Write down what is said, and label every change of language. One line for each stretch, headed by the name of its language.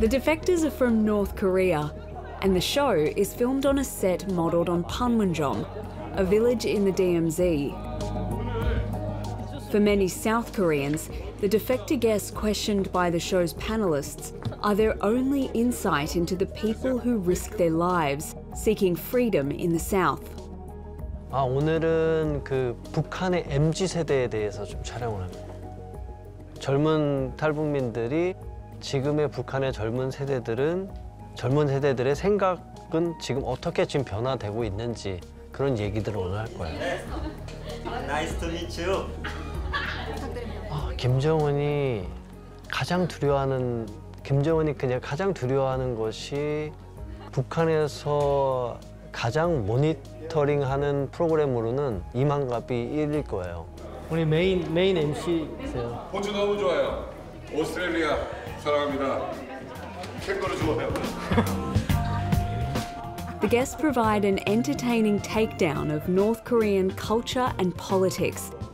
English: The defectors are from North Korea, and the show is filmed on a set modelled on Panmunjom, a village in the DMZ. For many South Koreans, the defector guests questioned by the show's panelists are their only insight into the people who risk their lives seeking freedom in the South.
Korean: 아 오늘은 그 북한의 MZ 세대에 대해서 좀 촬영을 합니다. 젊은 탈북민들이 지금의 북한의 젊은 세대들은 젊은 세대들의 생각은 지금 어떻게 지금 변화되고 있는지 그런 얘기들을 오늘 할 거예요.
English: Nice to meet you.
Korean: 김정은이 가장 두려워하는 김정은이 그냥 가장 두려워하는 것이 북한에서 가장 모니터링하는 프로그램으로는 이만갑이 1일 거예요. 우리 메인 MC세요. 호주 너무 좋아요. 오스트레일리아 사랑합니다. 캥거루 좋아요.
English: The guests provide an entertaining takedown of North Korean culture and politics.